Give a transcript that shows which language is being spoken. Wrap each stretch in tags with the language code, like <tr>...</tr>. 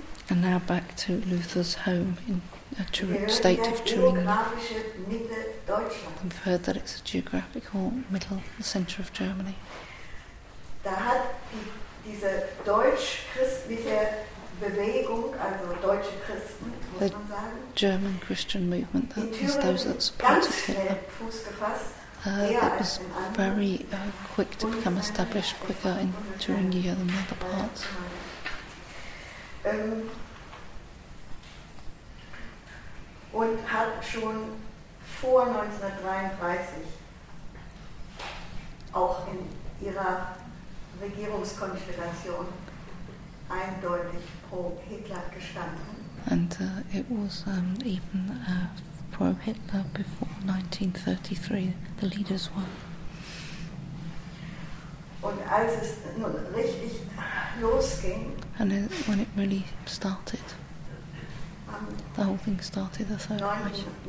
<en>And now back to Luther's home in state of Thuringia. We've heard that it's a geographical middle, the centre of Germany.</en> <de>Da hat diese deutsch-christliche Bewegung, also deutsche Christen, muss man sagen,</de> <en>the German Christian movement, that is those that supported Hitler, it was very quick to become established, quicker in Thuringia than the other parts.</en> <de>Und hat schon vor 1933 auch in ihrer Regierungskonstellation eindeutig pro Hitler gestanden.</de> <en>And it was even pro Hitler before 1933, the leaders were.</en> <de>Und als es nun richtig losging,</de> <en>and it, when it really started, the whole thing started, the Third Reich.</en>